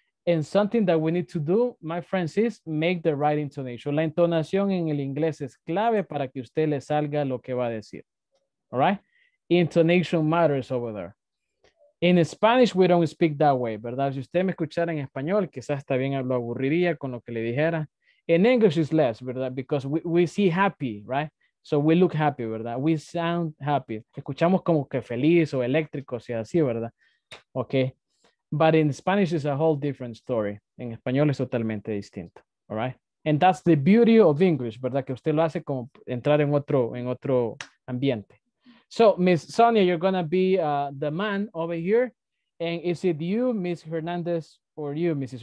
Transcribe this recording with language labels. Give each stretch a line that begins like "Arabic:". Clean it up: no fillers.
English: And something that we need to do, my friends, is make the right intonation.
Spanish: La entonación en el inglés es clave para que usted le salga lo que va a decir. All right?
English: Intonation matters over there. In Spanish, we don't speak that way, ¿verdad?
Spanish: Si usted me escuchara en español, quizás también lo aburriría con lo que le dijera.
English: In English, it's less, ¿verdad? Because we see happy, right? So we look happy, ¿verdad? We sound happy.
Spanish: Escuchamos como que feliz o eléctrico, si así, ¿verdad?
English: Okay. But in Spanish, it's a whole different story.
Spanish: En español es totalmente distinto, all right?
English: And that's the beauty of English,
Spanish: ¿verdad? Que usted lo hace como entrar en otro ambiente.
English: So, Miss Sonia, you're going to be the man over here. And is it you, Miss Hernandez, or you, Mrs.